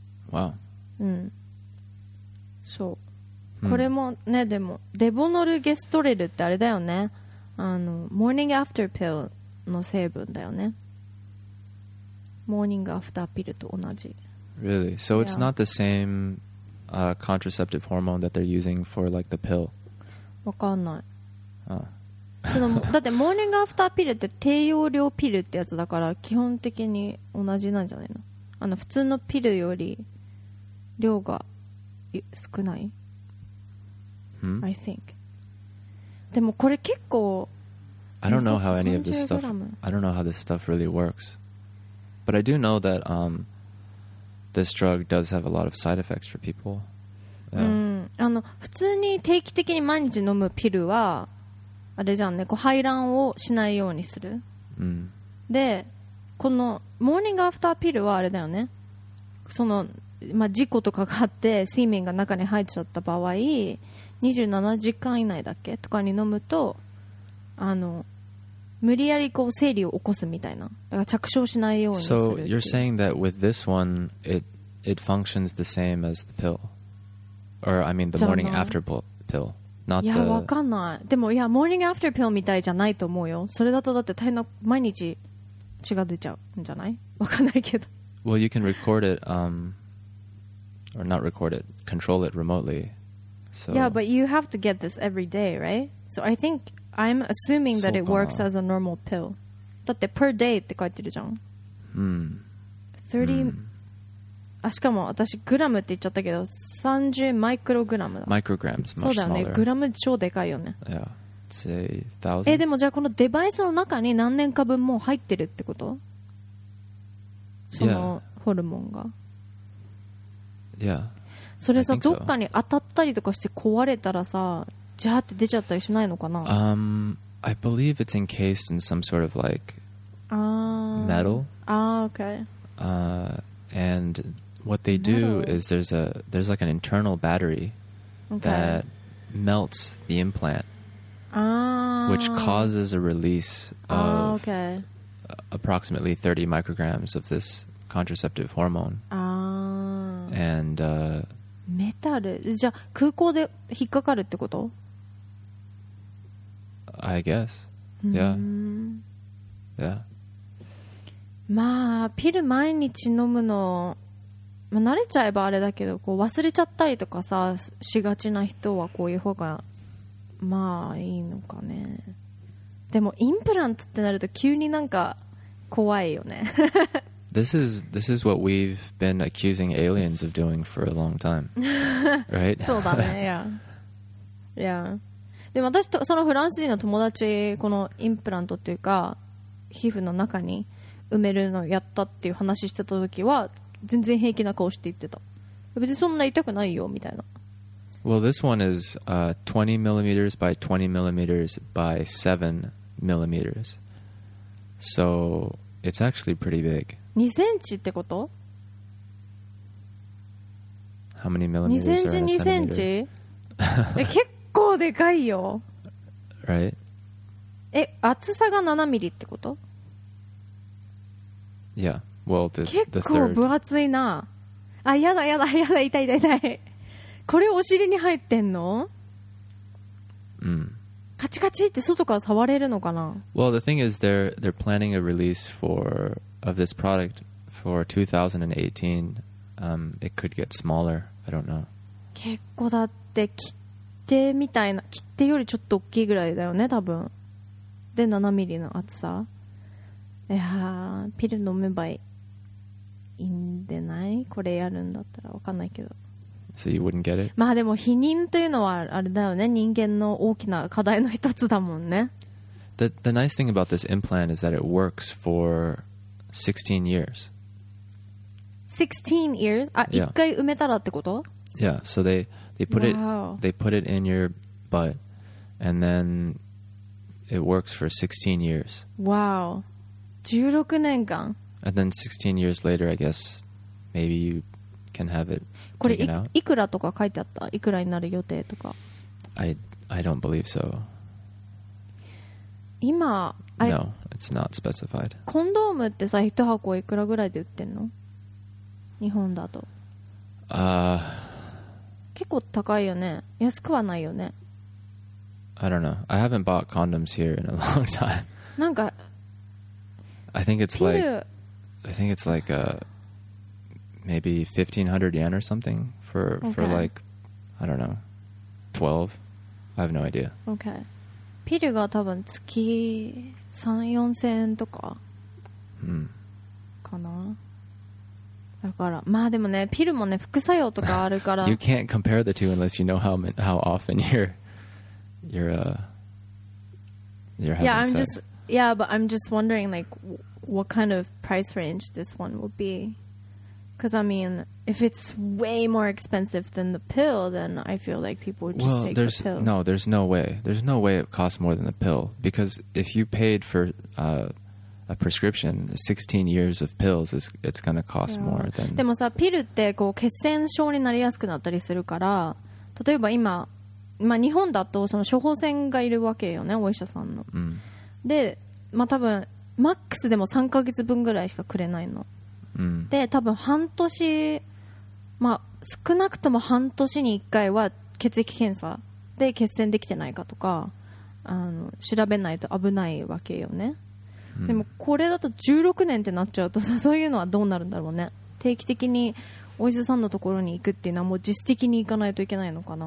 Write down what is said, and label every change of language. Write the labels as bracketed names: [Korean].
[English] Wow. [Japanese] うん。そう。これもね、でもレボノルゲストレルってあれだよね。あのモーニングアフターピルの成分だよね。モーニングアフターピルと同じ。 [English] Really? So it's not the same、contraceptive hormone that they're using for like the pill? [Japanese] わかんない。あ。そのだってモーニングアフターピルって低用量ピルってやつだから基本的に同じなんじゃないの？あの普通のピルより量が少ない、 hmm? [English] I think. [Japanese] でもこれ結構 [English] I don't know how any of this stuff I don't know how this stuff really works. But I do know that this drug does have a lot of side effects for people. [Japanese] うん、あの普通に定期的に毎日飲むピルはあれじゃんね、こう排卵をしないようにする、うん、でこのモーニングアフターピルはあれだよね、その、まあ、事故とかがあってセミンが中に入っちゃった場合27時間以内だっけとかに飲むと、あの無理やりこう生理を起こすみたいな、だから着床しないようにする。 [English] So you're saying that with this one it functions the same as the pill or I mean the morning after pill [Japanese] いや、わかんない。でもいや、モーニングアフターピルみたいじゃないと思うよ。それだとだって大変な、毎日血が出ちゃうんじゃない？わかんないけど。 [English] Well, you can record it or not record it, control it remotely, so. Yeah, but you have to get this every day, right? So I think I'm assuming that it works as a normal pill. [Japanese] だって [English] per day [Japanese] って書いてるじゃん。あ、しかも私グラムって言っちゃったけど30マイクログラムだ。マイクログラム、そうだよね、グラム超でかいよね。 [English] Yeah. Say 1000. [Japanese] でもじゃあこのデバイスの中に何年か分もう入ってるってこと？そのホルモンが。 [English] Yeah. [Japanese] それさ、どっかに当たったりとかして壊れたらさ、ジャーって出ちゃったりしないのかな？ [English] I believe it's encased in some sort of like metal. Okay. And what they do is there's like an internal battery that melts the implant, which causes a release of approximately 30 micrograms of this contraceptive hormone. And metal? [Japanese] じゃあ空港で引っかかるってこと？ [English] I guess. Yeah. Yeah. [Japanese] まあピル毎日飲むの、まあ、慣れちゃえばあれだけど、こう忘れちゃったりとかさしがちな人はこういう方がまあいいのかね。でもインプラントってなると急になんか怖いよね。 [English] This is what we've been accusing aliens of doing for a long time. Right? [Japanese] そうだね。Yeah. でも私とそのフランス人の友達、このインプラントっていうか皮膚の中に埋めるのやったっていう話してた時は全然平気な顔して言ってた。別にそんな痛くないよみたいな。 [English] Well, this one is 20 millimeters by 20 millimeters by 7 millimeters. So it's actually pretty big. [Japanese] 2センチってこと? [English] How many millimeters are in a centimeter? 2センチ、 [Japanese] 2センチ?結構でかいよ。 [English] Right? [Japanese] 厚さが7ミリってこと? [English] Yeah, well, the third. [Japanese] 結構分厚いな。あ、やだやだやだ、痛い痛い痛い。これお尻に入ってんの? うん。カチカチって外から触れるのかな? [English] Well, the thing is they're planning a release of this product for 2018. It could get smaller. I don't know. [Japanese] 結構だって切手みたいな、切手よりちょっと大きいぐらいだよね、多分。で、7ミリの厚さ。いやー、ピル飲めばいいんでない？これやるんだったらわかんないけど。 [English] So you wouldn't get it? [Japanese] まあでも避妊というのはあれだよね、人間の大きな課題の一つだもんね。 [English] The nice thing about this implant is that it works for 16 years. 16 years? あ、 yeah. [Japanese] 1回埋めたらってこと? [English] Yeah, so they put it in your butt and then it works for 16 years. [Japanese] Wow, 16年間? [English] And then 16 years later, I guess, maybe you can have it [Japanese] これ いくらとか書いてあった？いくらになる予定とか。 [English] I don't believe so. [Japanese] 今、あ [English] れ No, it's not specified. [Japanese] コンドームってさ、一箱いくらぐらいで売ってんの？日本だと。結構高いよね。安くはないよね。 [English] I don't know. I haven't bought condoms here in a long time. [Japanese] なんか、 [English] I think it's like a... Maybe 1500 yen or something for like, I don't know, 12? I have no idea. Okay. [Japanese] ピルが多分月3、4000円とかかな。だから、まあでもね、ピルもね、副作用とかあるから。 [English] You can't compare the two unless you know how often you're having sex. Yeah, but I'm just wondering like what kind of price range this one would be. Because, I mean, if it's way more expensive than the pill, then I feel like people would just well, take the pill. No, there's no way. There's no way it costs more than the pill. Because if you paid for a prescription, 16 years of pills, it's going to cost yeah. more than... [Japanese] でもさ、ピルってこう血栓症になりやすくなったりするから、例えば今、まあ、日本だとその処方箋がいるわけよね、お医者さんの。 Mm. で、まあ、多分、マックスでも3ヶ月分ぐらいしかくれないの。で多分半年、まあ、少なくとも半年に1回は血液検査で血栓できてないかとか調べないと危ないわけよね、うん、でもこれだと16年ってなっちゃうとさそういうのはどうなるんだろうね定期的にお医者さんのところに行くっていうのはもう実質的に行かないといけないのかな、